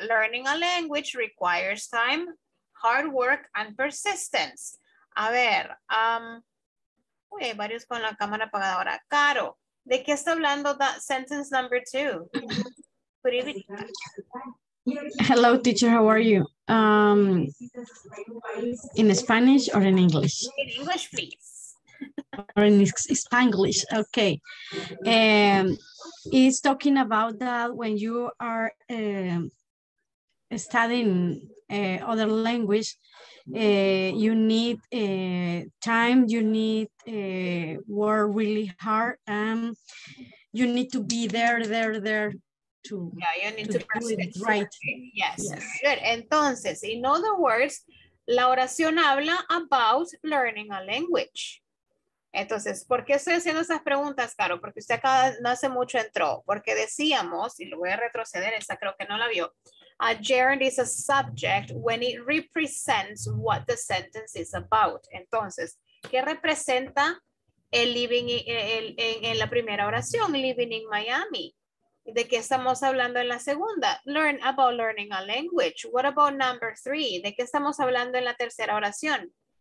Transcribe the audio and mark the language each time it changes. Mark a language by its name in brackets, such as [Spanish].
[English] Learning a language requires time, hard work, and persistence. [Spanish] A ver, uy, hay varios con la cámara apagada ahora. Caro, ¿de qué está hablando [English] that sentence number two? Hello, teacher. How are you? In Spanish or in English? In English, please. Or in Spanglish. Okay. It's talking about that when you are studying other language, you need time, you need work really hard, and you need to be there. Yeah, you need to persist. Right. Yes. Yes. Good. [Spanish] Entonces, [English] in other words, [Spanish] la oración habla [English] about learning a language. [Spanish] Entonces, ¿por qué estoy haciendo esas preguntas, Caro? Porque usted acá no hace mucho entró. Porque decíamos, y lo voy a retroceder, esa creo que no la vio. [English] A gerund is a subject when it represents what the sentence is about. [Spanish] Entonces, ¿qué representa el living en la primera oración? [English] Living in Miami. [Spanish] ¿De qué estamos hablando en la segunda? [English] Learn about learning a language. What about number three? [Spanish] ¿De qué estamos hablando en la tercera oración?